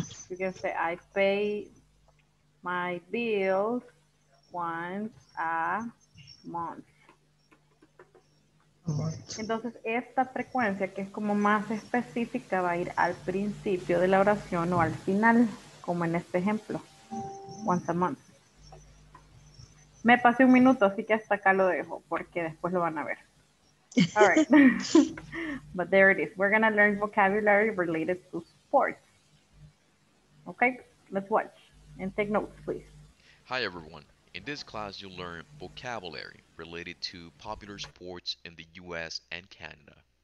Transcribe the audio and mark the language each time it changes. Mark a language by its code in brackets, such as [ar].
[en] You can say, I pay my bills once a month. [es] Entonces, esta frecuencia que es como más específica va a ir al principio de la oración o al final, como en este ejemplo, [en] once a month. [es] Me pasé un minuto, así que hasta acá lo dejo, porque después lo van a ver. [en] All right, but there it is. We're going to learn vocabulary related to sports. Okay, let's watch and take notes, please. Hi, everyone. In this class, you'll learn vocabulary related to popular sports in the U.S. and Canada.